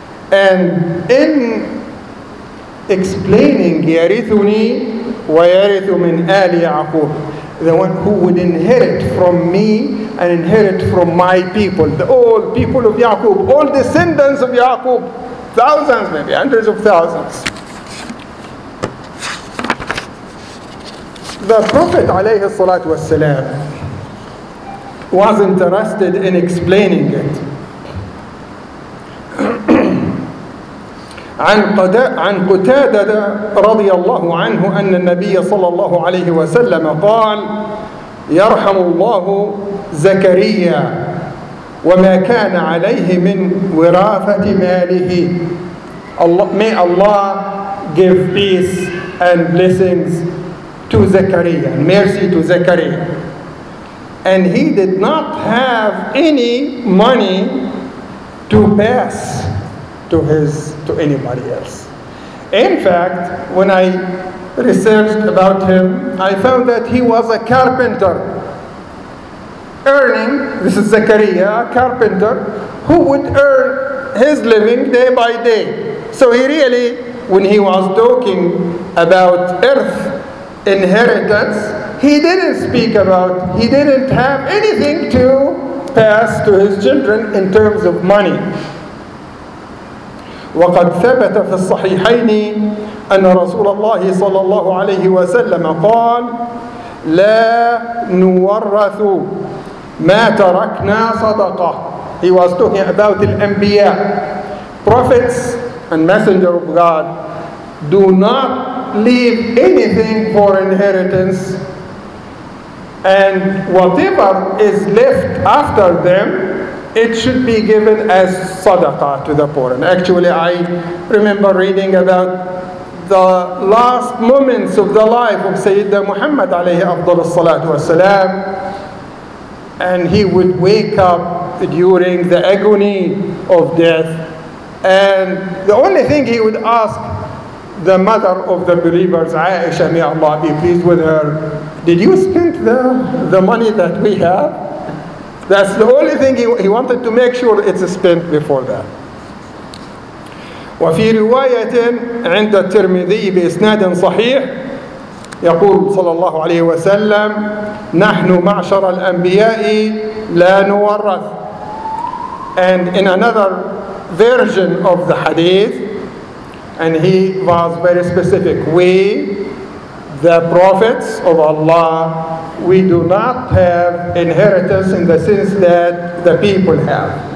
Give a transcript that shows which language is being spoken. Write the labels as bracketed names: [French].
[English] And in explaining, [Arabic] يَرِثُنِي وَيَرِثُ مِنْ آلِ يَعْقُوبَ, [English] the one who would inherit from me and inherit from my people, the old people of Yaqub, all descendants of Yaqub, thousands maybe, hundreds of thousands. The Prophet alayhi salatu wassalam was interested in explaining it. [Arabic] عن قتادة رضي الله عنه أن النبي صلى الله عليه وسلم قال يرحم الله زكريا وما كان عليه من وراثة ماله. [English] May Allah give peace and blessings to Zakaria, mercy to Zakaria. And he did not have any money to pass to anybody else. In fact, when I researched about him, I found that he was a carpenter, earning, this is Zakaria, a carpenter, who would earn his living day by day. So he really, when he was talking about earth inheritance, he didn't have anything to pass to his children in terms of money. [Arabic] وقد ثبت في الصحيحين أن رسول الله صلى الله عليه وسلم قال لا نورث ما تركنا صدقة. [English] He was talking about the Anbiya, prophets and messenger of God do not leave anything for inheritance, and whatever is left after them, it should be given as sadaqah to the poor. And actually, I remember reading about the last moments of the life of Sayyidina Muhammad alayhi afdal as-salatu was-salam, and he would wake up during the agony of death, and the only thing he would ask the mother of the believers, Aisha, may Allah be pleased with her, did you spend the money that we have? That's the only thing he wanted to make sure it's spent before that. [Arabic] وفي رواية عند الترمذي بإسناد صحيح يقول صلى الله عليه وسلم نحن معشر الأنبياء لا نورث. [English] And in another version of the hadith, and he was very specific, we, the prophets of Allah, we do not have inheritance in the sense that the people have.